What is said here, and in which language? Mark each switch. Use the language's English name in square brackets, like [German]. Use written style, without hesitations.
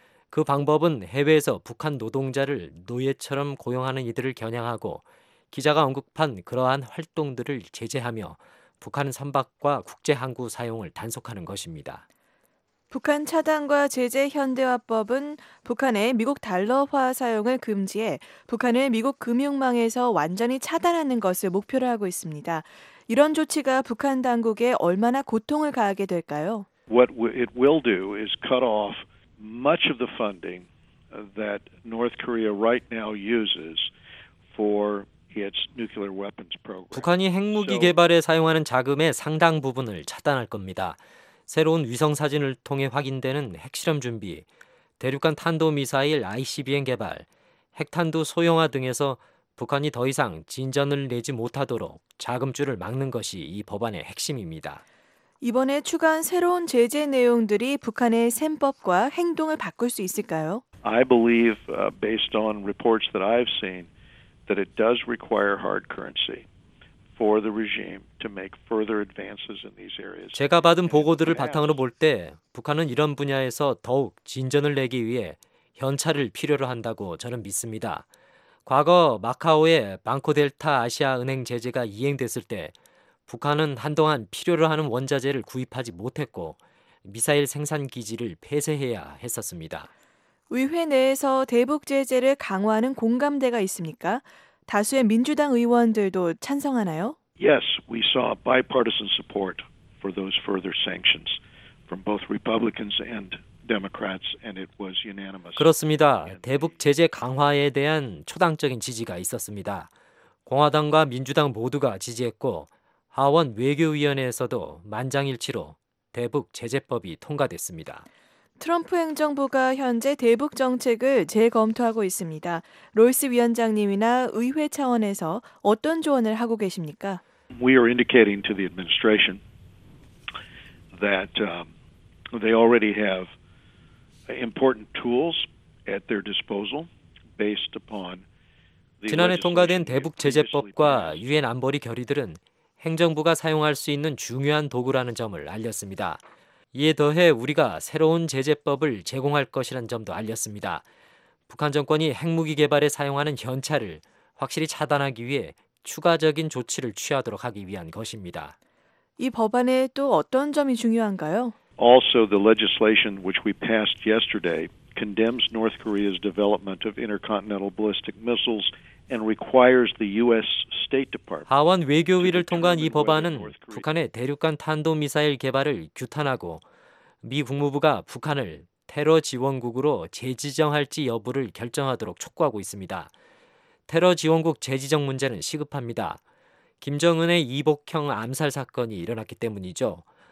[Korean] 그 방법은 해외에서 북한 노동자를 노예처럼 고용하는 이들을 겨냥하고 기자가 언급한 그러한 활동들을 제재하며 북한 선박과 국제항구 사용을 단속하는 것입니다. 북한 차단과 제재 현대화법은 북한의 미국 달러화 사용을 금지해 북한을 미국 금융망에서 완전히 차단하는 것을 목표로 하고 있습니다. 이런 조치가 북한 당국에 얼마나 고통을 가하게 될까요? [English] What it will do is cut off much of the funding that North Korea right now uses for its nuclear weapons program. [Korean] 북한이 핵무기 개발에 사용하는 자금의 상당 부분을 차단할 겁니다. 새로운 위성 사진을 통해 확인되는 핵실험 준비, 대륙간 탄도미사일 ICBM 개발, 핵탄두 소형화 등에서 북한이 더 이상 진전을 내지 못하도록 자금줄을 막는 것이 이 법안의 핵심입니다. 이번에 추가한 새로운 제재 내용들이 북한의 셈법과 행동을 바꿀 수 있을까요? [English] I believe based on reports that I've seen that it does require hard currency. for the regime to make further advances in these areas. [Korean] 제가 받은 보고들을 바탕으로 볼 때 북한은 이런 분야에서 더욱 진전을 내기 위해 현찰을 필요로 한다고 저는 믿습니다. 과거 마카오의 방코델타 아시아 은행 제재가 이행됐을 때 북한은 한동안 필요로 하는 원자재를 구입하지 못했고 미사일 생산 기지를 폐쇄해야 했었습니다. 의회 내에서 대북 제재를 강화하는 공감대가 있습니까? 다수의 민주당 의원들도 찬성하나요? [English] Yes, we saw bipartisan support for those further sanctions from both Republicans and Democrats, and it was unanimous. [Korean] 그렇습니다. 대북 제재 강화에 대한 초당적인 지지가 있었습니다. 공화당과 민주당 모두가 지지했고 하원 외교위원회에서도 만장일치로 대북 제재법이 통과됐습니다. 트럼프 행정부가 현재 대북 정책을 재검토하고 있습니다. 로이스 위원장님이나 의회 차원에서 어떤 조언을 하고 계십니까? [English] We are indicating to the administration that they already have important tools at their disposal based upon the [Korean] 지난해 통과된 대북 제재법과 유엔 안보리 결의들은 행정부가 사용할 수 있는 중요한 도구라는 점을 알렸습니다. 이에 더해 우리가 새로운 제재법을 제공할 것이라는 점도 알렸습니다. 북한 정권이 핵무기 개발에 사용하는 현찰을 확실히 차단하기 위해 추가적인 조치를 취하도록 하기 위한 것입니다. 이 법안에 또 어떤 점이 중요한가요? [English] Also, the legislation which we passed yesterday condemns North Korea's development of intercontinental ballistic missiles and requires the U.S. State Department. [Korean] 하원 외교위를 통과한 이 법안은 북한의 대륙간 탄도 미사일 개발을 규탄하고 미 국무부가 북한을 테러 지원국으로 재지정할지 여부를 결정하도록 촉구하고 있습니다. 테러 지원국 재지정 문제는 시급합니다. 김정은의 이복형 암살 사건이 일어났기 때문이죠.